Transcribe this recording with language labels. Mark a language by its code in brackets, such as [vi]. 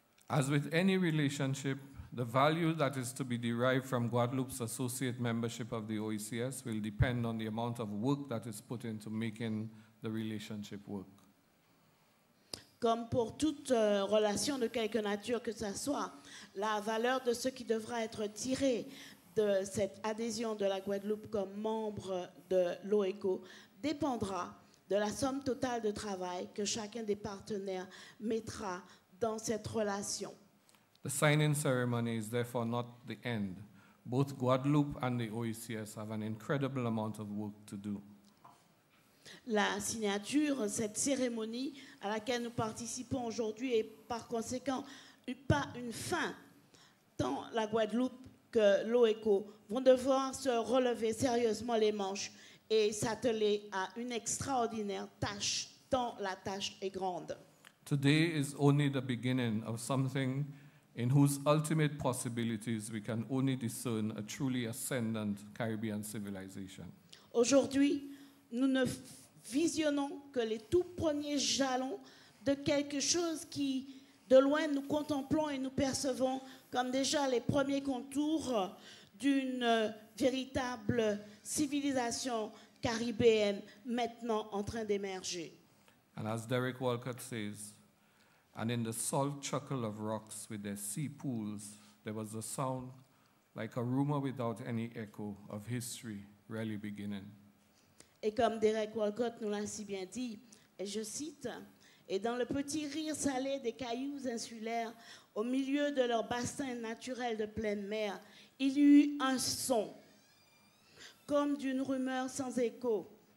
[en] As with any relationship, the value that is to be derived from Guadeloupe's associate membership of the OECS will depend on the amount of work that is put into making the relationship work. [fr] Comme pour toute relation de quelque nature que ce soit, la valeur de ce qui devra être tiré de cette adhésion de la Guadeloupe comme membre de l'OECO dépendra de la somme totale de travail que chacun des partenaires mettra dans cette relation. [en] The signing ceremony is therefore not the end. Both Guadeloupe and the OECS have an incredible amount of work to do. [fr] La signature, cette cérémonie à laquelle nous participons aujourd'hui est par conséquent pas une fin. Tant la Guadeloupe que l'OECO vont devoir se relever sérieusement les manches et s'atteler à une extraordinaire tâche, tant la tâche est grande. [en] Today is only the beginning of something in whose ultimate possibilities we can only discern a truly ascendant Caribbean civilization. [fr] Aujourd'hui, nous ne visionnons que les tout premiers jalons de quelque chose qui, de loin, nous contemplons et nous percevons comme déjà les premiers contours d'une véritable civilisation caribéenne maintenant en train d'émerger. [en] And as Derek Walcott says, and in the salt chuckle of rocks with their sea pools, there was a sound like a rumor without any echo of history really beginning. [fr] Et comme Derek Walcott nous l'a si bien dit, et je cite, et dans le petit rire salé des cailloux insulaires, au milieu de leur bassin naturel de pleine mer, il y eut un son, comme d'une rumeur sans écho.